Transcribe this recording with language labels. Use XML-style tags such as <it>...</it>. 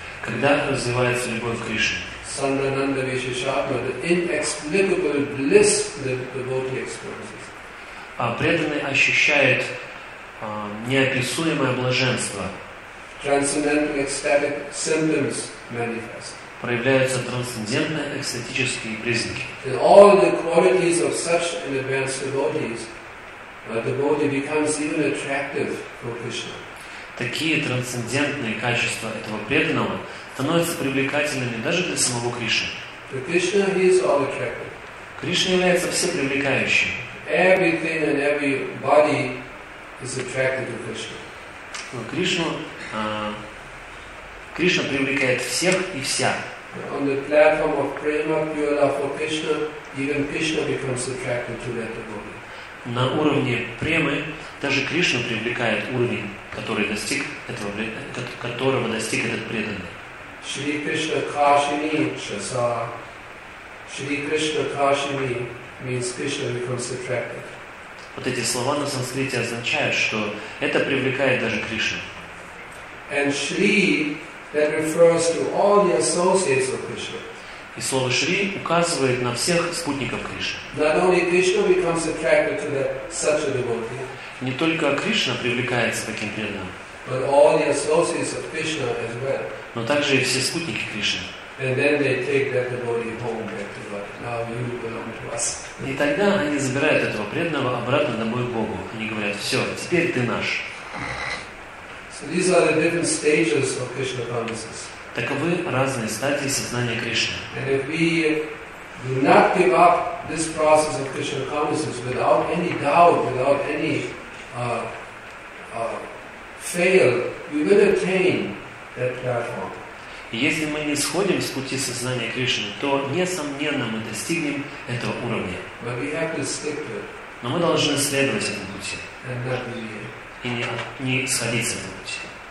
<ru>Когда развивается любовь к Кришне.</ru> <sa>Sandrananda Vishishatma,</sa> <en>the inexplicable bliss that the devotee experiences.</en> <ru>А преданный ощущает неописуемое блаженство.</ru> <en>Transcendental ecstatic symptoms manifest.</en> <ru>Проявляются трансцендентные экстатические признаки.</ru> <en>In all the qualities of such an advanced devotees, the body becomes even attractive for Krishna.</en> <ru>Такие трансцендентные качества этого преданного становятся привлекательными даже для самого Кришны.</ru> <en>For Krishna, he is all attractive.</en> <ru>Кришна является всепривлекающим.</ru> <en>Everything and every body is attracted to Krishna.</en> <ru>Кришна привлекает всех и вся.</ru> <en>On the platform of prema, pure love for Krishna, even Krishna becomes attracted to that devotee.</en> <ru>На уровне премы даже Кришна привлекает уровень, который достиг этого, которого достиг этот преданный.</ru> <sa>Шри Кришна Кашини Часа. Шри Кришна Кашини</sa> <en>means Krishna becomes attracted.</en> <ru>Вот эти слова на санскрите означают, что это привлекает даже Кришну.</ru> <en>And Shri that refers to all the associates of Krishna.</en> <ru>И слово Шри указывает на всех спутников Кришны.</ru> <en>Not only Krishna becomes attracted to that such a devotee.</en> <ru>Не только Кришна привлекается таким преданным.</ru> <en>But all the associates of Krishna as well.</en> <ru>Но также и все спутники Кришны.</ru> <en>And then they take that devotee home back to God. Now you belong to us.</en> <ru>И тогда они забирают этого преданного обратно домой к Богу. Они говорят: все, теперь ты наш.</ru> <en>These are the different stages of Krishna consciousness.</en> <ru>Таковы разные стадии сознания Кришны.</ru> <en>And if we do not give up this process of Krishna consciousness without any doubt, without any fail, we will attain that platform.</en> <ru>Если мы не сходим с пути сознания Кришны, то несомненно мы достигнем этого уровня.</ru> <en>But we have to stick to it.</en> <ru>Но мы должны следовать этому пути.</ru> <en>And not believe.</en> <ru>И не сходить с этого пути.</ru>